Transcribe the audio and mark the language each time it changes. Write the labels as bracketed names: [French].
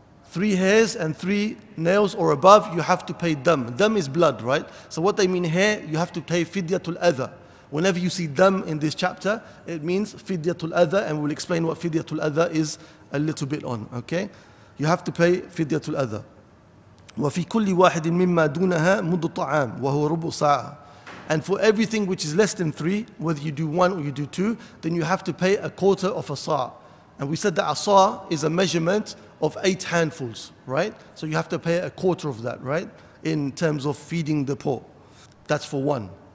[English] Three hairs and three nails or above, you have to pay dam. Dam is blood, right? So what they mean here, you have to pay fidyatul adha. Whenever you see dam in this chapter, it means fidyatul adha, and we'll explain what fidyatul adha is a little bit on, okay? You have to pay fidyatul adha. [Arabic] وفي كل واحد مما دونها مد طعام وهو ربع ساعة. [English] And for everything which is less than three, whether you do one or you do two, then you have to pay a quarter of a sa'. And we said that a sa' is a measurement of eight handfuls, right? So you have to pay a quarter of that, right? In terms of feeding the poor. That's for one.